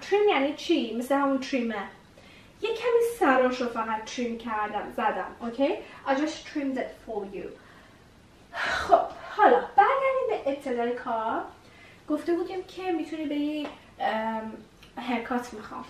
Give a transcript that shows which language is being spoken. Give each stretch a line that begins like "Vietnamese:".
Persian: تریم یعنی چی؟ مثل همون تریمه. یه کمی سراش رو فقط تریم کردم، زدم.
English: Okay? okay? I just trimmed it for you.
Persian: خب. حالا. برگردیم به ابتدای کار. گفته بودیم که میتونی به یه هرکات میخوام.